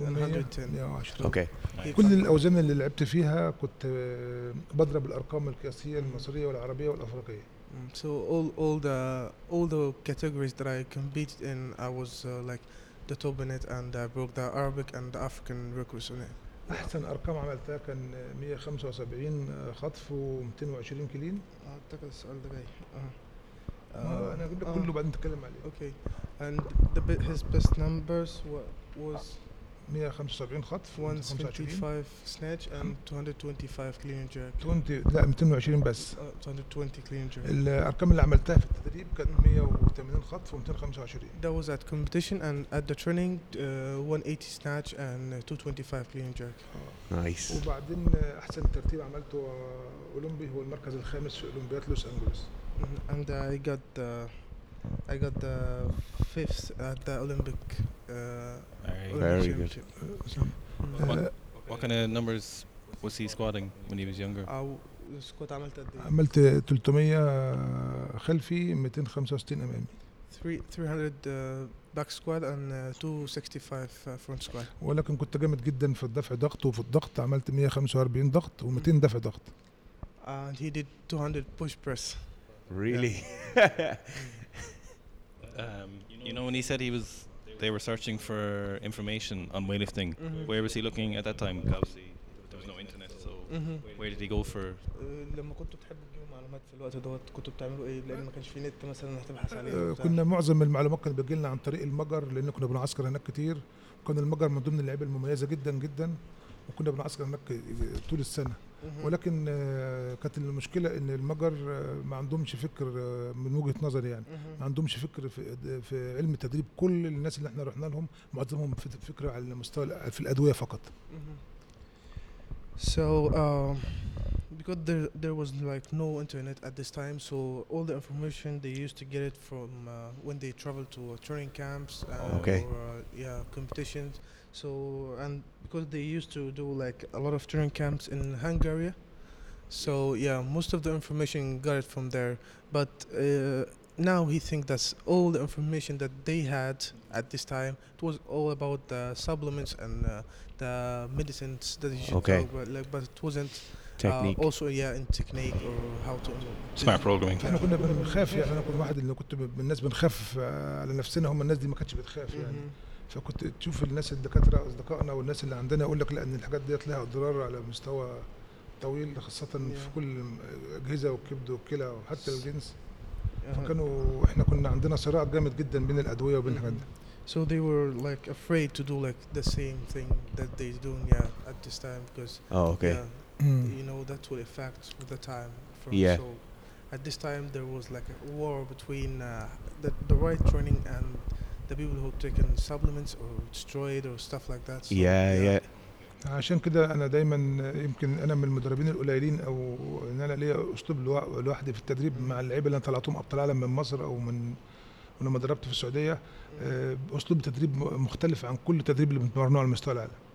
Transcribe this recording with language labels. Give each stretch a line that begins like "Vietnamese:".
Arabic: 110 okay. كل الأوزان اللي لعبت فيها كنت بضرب الأرقام القياسية المصرية والعربية والأفريقية.
English: So all the categories that I competed in, I was like the top in it and I broke the Arabic and the African records in it.
Arabic: أحسن أرقام عملتها كان 175 خطف و 220 كيلين. أعتقد السؤال ده جاي. أنا أقول لك كله بعد نتكلم عليه.
English: Okay. And the his best numbers was
Arabic: 175 خطف
English: 125 snatch and 225 clean and jerk
Arabic: 20 لا 220 بس
English: 220 clean and jerk
Arabic: الارقام اللي عملتها في التدريب كانت 180 خطف و 225
English: that was at competition and at the training 180 snatch and 225 clean and jerk nice
Arabic: وبعدين احسن ترتيب عملته اولمبي هو المركز الخامس في اولمبياد لوس انجلوس
English: and I got the fifth at the Olympic very good. What kind of numbers was he squatting when he was younger?
Arabic: Squat عملت قد ايه؟ عملت 300 خلفي 265 امامي
English: 300 back squat and 265 front squat
Arabic: ولكن كنت جامد جدا في الدفع ضغط وفي الضغط عملت 145 ضغط و200 دفع ضغط
English: and he did 200 push press really you know when he said he was they were searching for information on weightlifting where was he looking at that time because there was no internet so where did he go for
Arabic: لما كنت تحب تجيب معلومات في الوقت دوت كنت بتعملوا ايه لان ما كانش في نت مثلا تبحث عليه كنا معظم المعلومات كانت بتجيلنا عن طريق المجر لان كنا بنعسكر هناك كتير كان المجر من ضمن اللعيبه المميزه جدا جدا وكنا بنعسكر هناك طول السنه ولكن كانت المشكلة إن المجر ما عندهمش فكر من وجهة نظر يعني ما عندهمش فكر في علم التدريب كل الناس اللي احنا رحنا لهم معظمهم فكرة على المستوى في الأدوية فقط.
English: So because there was like no internet at this time, so all the information they used to get it from when they traveled to training camps or competitions. So and because they used to do like a lot of training camps in Hungary, so yeah, most of the information got it from there. But now he thinks that all the information that they had at this time it was all about the supplements and the medicines that you should take. But like, but it wasn't. Technique. Also yeah in technique or how to smart programming.
Arabic: احنا كنا بنخاف يعني انا كنت واحد اللي كنت الناس بنخاف على نفسنا هم الناس دي ما كانتش بتخاف يعني. فكنت تشوف الناس الدكاترة أصدقائنا والناس اللي عندنا يقول لك لأن الحاجات دي لها أضرار على مستوى طويل خاصة في كل أجهزة والكبد والكلى وحتى الجنس. فكانوا إحنا كنا عندنا صراع جامد جدا بين الأدوية وبين الحاجات دي.
English: So they were like afraid to do like the same thing that they're doing at this time because you know that will affect the time from so at this time there was like a war between the right training and the people who have taken supplements or destroyed or stuff like that. So
Arabic: عشان كده انا دايما يمكن انا من المدربين القليلين او ان انا ليا اسلوب لوحدي في التدريب مع اللعيبه اللي انا طلعتهم ابطال عالم من مصر او من لما دربت في السعودية أسلوب تدريب مختلف عن كل تدريب اللي بتمرنوه على المستوى العالم.